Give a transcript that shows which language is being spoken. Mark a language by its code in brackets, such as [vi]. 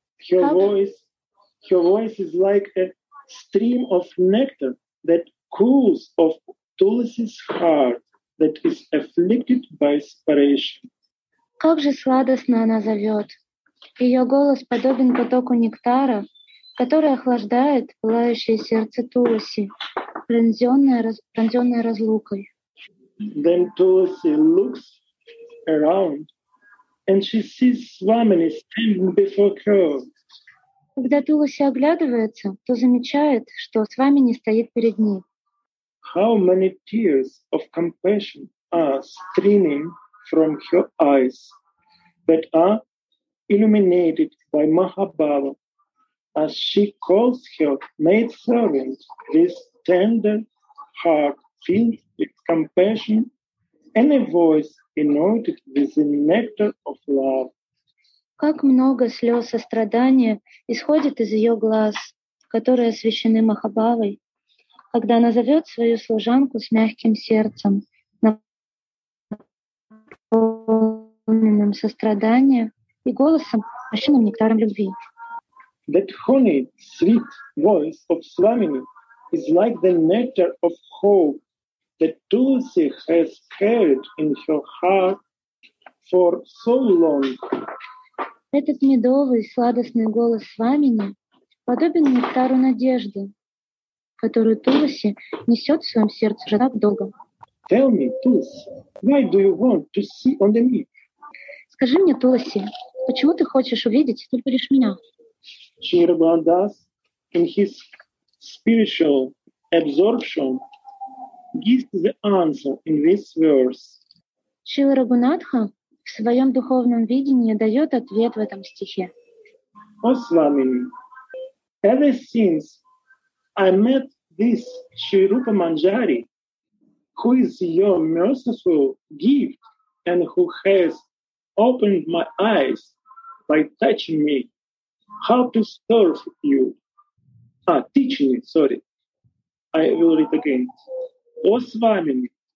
[en] Her voice is like a stream of nectar that cools off Tulsi's heart that is afflicted by separation. [ru] Как же сладостно она зовет. Ее голос подобен потоку нектара, который охлаждает пылающее сердце Тулси, пронзенное разлукой. [en] Then Tulsi looks around and she sees Swamini standing before her. [ru] Когда Туласи оглядывается, то замечает, что Свамини стоит перед ней. [en] How many tears of compassion are streaming from her eyes that are illuminated by Mahabhava as she calls her maidservant with tender heart filled with compassion and a voice anointed with the nectar of love. [ru] Как много слез сострадания исходит из ее глаз, которые освящены Махабавой, когда она зовет свою служанку с мягким сердцем, наполненным состраданием и голосом, освященным нектаром любви. [en] That honey, sweet voice of Swamini is like the nectar of hope that Tulsi has carried in her heart for so long. [ru] Этот медовый, сладостный голос Свамини подобен нектару надежды, которую Туласи несет в своем сердце уже так долго. [en] Tell me, Tulsi, why do you want to see only me? [ru] Скажи мне, Туласи, почему ты хочешь увидеть только лишь меня? [en] Shri Raghunath Das in his spiritual absorption gives the answer in this verse. [ru] Shri Raghunatha в своем духовном видении дает ответ в этом стихе. [en] О Свамини, ever since I met this Shri Rupa Manjari, who is your merciful gift and who has opened my eyes by touching me, how to serve you, teaching me, I will read again. О Свамини,